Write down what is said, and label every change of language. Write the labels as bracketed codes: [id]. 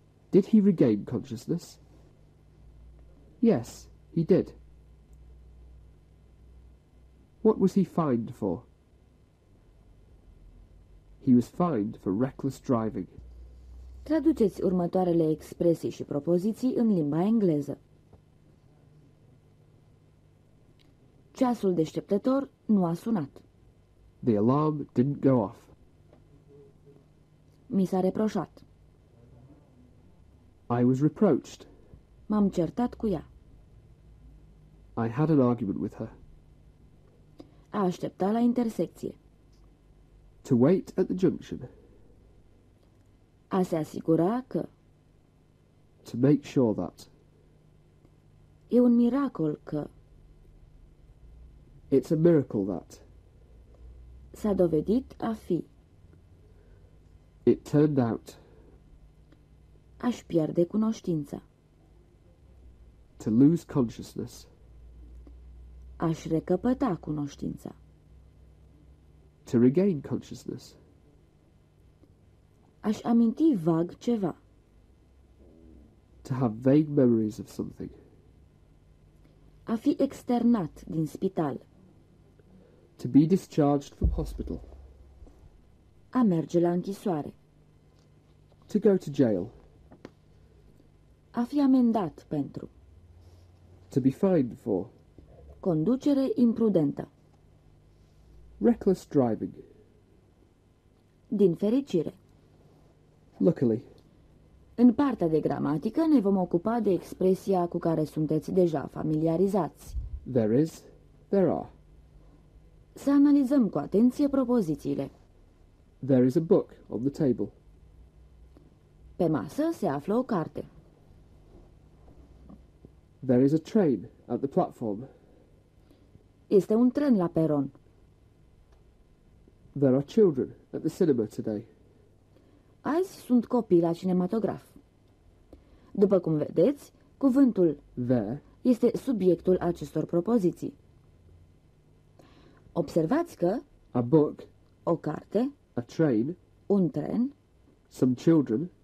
[en] Did he regain consciousness? Yes, he did. What was he fined for? He was fined for reckless driving. [ro] Traduceți următoarele expresii și propoziții în limba engleză. Ceasul deșteptător nu a sunat. [en] The alarm didn't go off. [ro] Mi s-a reproșat. [en] I was reproached. [ro] M-am certat cu ea. [en] I had an argument with her. [ro] A aștepta la intersecție. [en] To wait at the junction. [ro] A se asigura că. [en] To make sure that. [ro] E un miracol că. [en] It's a miracle that. [ro] S-a dovedit a fi. [en] It turned out. [ro] Aș pierde cunoștința. [en] To lose consciousness. [ro] Aș recăpăta cunoștința. [en] To regain consciousness. [ro] Aș aminti vag ceva. [en] To have vague memories of something. [ro] A fi externat din spital. [en] To be discharged from hospital. [ro] A merge la închisoare. [en] To go to jail. [ro] A fi amendat pentru. [en] To be fined for. [ro] Conducere imprudentă. [en] Reckless driving. Din fericire. Luckily. [ro] În partea de gramatică ne vom ocupa de expresia cu care sunteți deja familiarizați. [en] There is, there are. [ro] Să analizăm cu atenție propozițiile. [en] There is a book on the table. [ro] Pe masă se află o carte. [en] There is a train at the platform. [ro] Este un tren la peron. [en] There are children at the cinema today. [ro] Azi sunt copii la cinematograf. După cum vedeți, cuvântul [en] there [ro] este subiectul acestor propoziții. Observați că [en] a book, [ro] o carte, [en] a train, [ro] un tren, [en] some children,